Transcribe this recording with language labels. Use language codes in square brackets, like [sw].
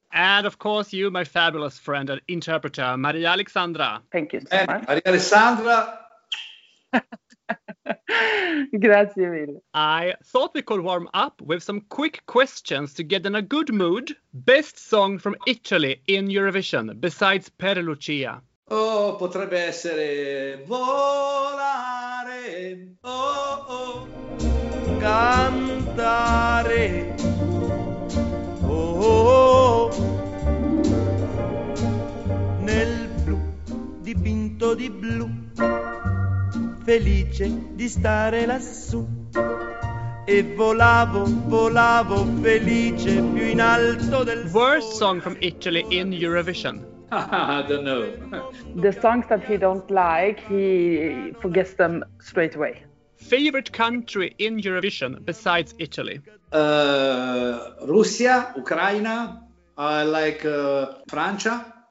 [en] And of course you, my fabulous friend and interpreter, Maria Alexandra. Thank you so much. Maria Alexandra. [it] Grazie mille. [en] I thought we could warm up with some quick questions to get in a good mood. Best song from Italy in Eurovision, besides Per Lucia. [it] Oh, potrebbe essere volare, oh, oh, cantare, oh, oh, oh, nel blu, dipinto di blu, felice di stare lassù, e volavo, volavo, felice, più in alto del... [en] Worst song from Italy in Eurovision. I don't know. The songs that he don't like, he forgets them straight away. Favorite country in Eurovision besides Italy? Russia, Ukraine, I like Francia.